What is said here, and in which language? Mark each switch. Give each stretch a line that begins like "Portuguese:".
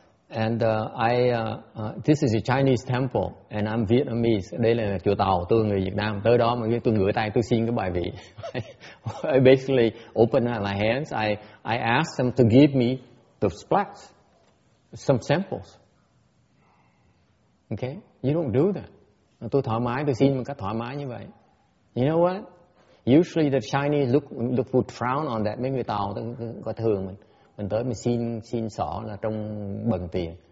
English: And this is a Chinese temple and I'm Vietnamese.
Vietnamese: Đây là chùa Tàu, tôi người Việt Nam. Tới đó mà tôi ngửa tay tôi xin cái bài vị.
English: I basically open my hands. I ask them to give me the splats, some samples. Okay? You don't do that.
Vietnamese: Tôi thoải mái, tôi xin một cách thoải mái như vậy.
English: You know what? Usually the Chinese look would frown on that.
Vietnamese: Mấy người Tàu có thường mình tới mình xin xỏ là trong bằng tiền.